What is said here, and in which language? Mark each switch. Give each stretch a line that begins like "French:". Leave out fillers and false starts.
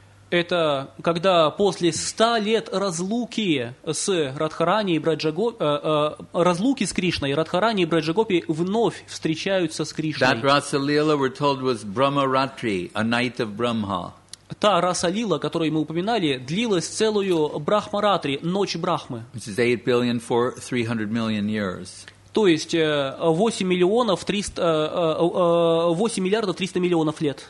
Russian: Это когда после 100 лет разлуки с Радхарани и разлуки с Кришной, Радхарани и Браджагопи вновь встречаются с Кришной.
English: That Rasa Lila, we're told, was Brahma Ratri, a night of Brahma.
Russian: Та Раса Лила, о которой мы упоминали, длилась целую Брахма Ратри, ночь Брахмы.
English: Which is 8 billion for 300 million years.
Russian: То есть 8 миллиардов 300 миллионов лет.